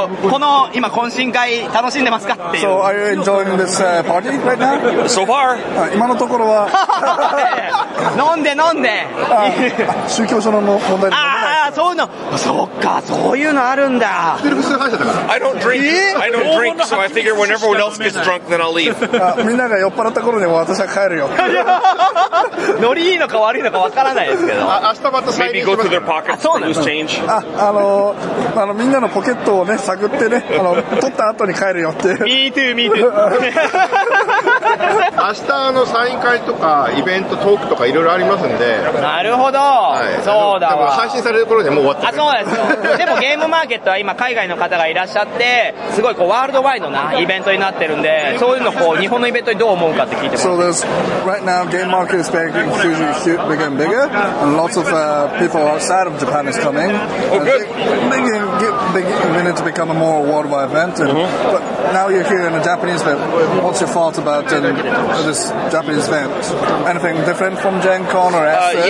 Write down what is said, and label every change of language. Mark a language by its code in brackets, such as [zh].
[ja] この今懇親会楽しんでますかっていう。 [en] So are you enjoying this party right now? So far. [ja] 今のところは。飲んで飲んで。宗教上の問題で。そういうの、そっか、そういうのあるんだ。 [en] I don't drink. I don't drink, so I figure when everyone else gets drunk, then I'll leave. [ja] みんなが酔っ払った頃にも私は帰るよ。ノリいいのか悪いのかわからないですけど。明日また [en] Maybe go to their pockets for loose change. [ja] あのみんなのポケットをね探ってね、あの、取った後に帰るよっていう。 [en] Me too, me too. [ja] 明日あのサイン会とかイベントトークとかいろいろありますんで。なるほど。そうだわ。配信されるところでもう終わった。あ、そうです。でもゲームマーケットは今海外の方がいらっしゃって、すごいこうワールドワイドなイベントになってるんで、そういうのこう日本のイベントにどう思うかって聞いてます。 [en] So this right now game market is getting huge, huge, bigger and bigger, and lots of people outside of Japan is coming. Oh, good. beginning to become a more worldwide event. And, but now you're here in a Japanese event. What's your thought about this Japanese event? Anything different from Gen Con or Essen?